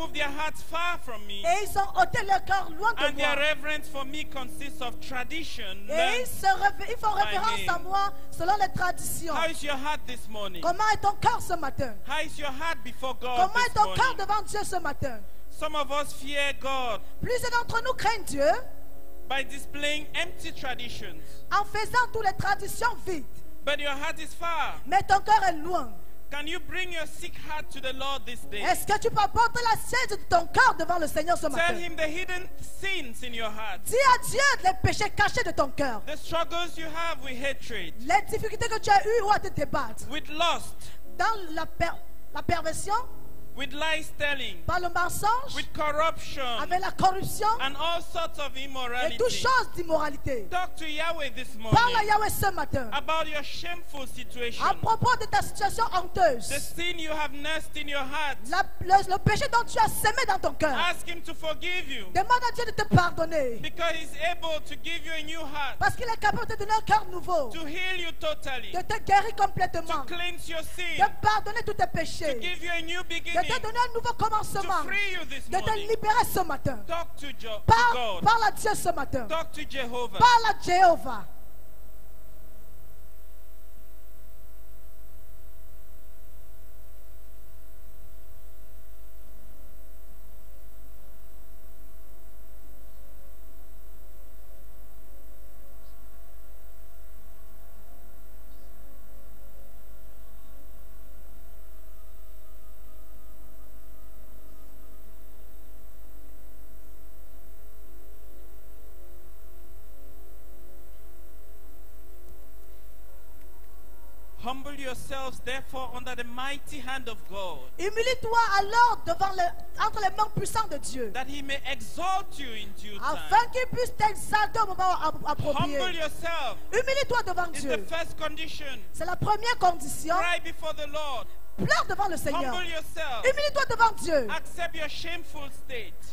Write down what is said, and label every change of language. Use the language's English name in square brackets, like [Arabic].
[English] And their reverence for me consists of tradition. [French] Ils font référence à moi selon les traditions. [English] How is your heart this morning? [French] Comment est ton cœur ce matin? [English] How is your heart before God? [French] Comment est ton cœur devant Dieu ce matin? [English] Some of us fear God. [French] Plusieurs d'entre nous craignent Dieu. [English] By displaying empty traditions. [French] En faisant toutes les traditions vides. [English] But your heart is far. [French] Mais ton cœur est loin. [English] Can you bring your sick heart to the Lord this day? [French] Est-ce que tu peux apporter la sainte de ton cœur devant le Seigneur ce matin? [English] Tell him the hidden sins in your heart. [French] Dis à Dieu les péchés cachés de ton cœur. [English] The struggles you have with hatred. [French] Les difficultés que tu as eues ou à te débattre. [English] With lust. [French] Dans la perversion. [English] With lies telling. [French] Par le mensonge. [English] With corruption. [French] Avec la corruption. [English] And all sorts of immorality. [French] Et toutes choses d'immoralité. [English] Talk to Yahweh this morning. [French] Parle à Yahweh ce matin. [English] About your shameful situation. [French] À propos de ta situation honteuse. [English] The sin you have nursed in your heart. [French] Le péché dont tu as semé dans ton cœur. [English] Ask him to forgive you. [French] Demande à Dieu de te pardonner. [English] Because he's able to give you a new heart. [French] Parce qu'il est capable de te donner un cœur nouveau. [English] To heal you totally. [French] De te guérir complètement. [English] To cleanse your sin. [French] De pardonner tous tes péchés. [English] To give you a new beginning. [French] De te donner un nouveau commencement. [English] To free you this [French] de [English] morning. [French] Te libérer ce matin. [English] Talk to God. [French] Parle à Dieu ce matin. [English] Talk to Jehovah. [French] Parle à Jéhovah. [English] Humble yourselves, therefore, under the mighty hand of God. [French] Humilie-toi alors devant entre les mains puissantes de Dieu. [English] That he may exalt you in due time. [French] Afin qu'il puisse t'exalter au moment approprié. [English] Humble yourself. [French] Humilie-toi devant Dieu. [English] It's the first condition. [French] C'est la première condition. [English] Cry before the Lord. [French] Pleure devant le Seigneur. [English] Humble yourself. [French] Humilie-toi devant Dieu. [English] Accept your shameful state.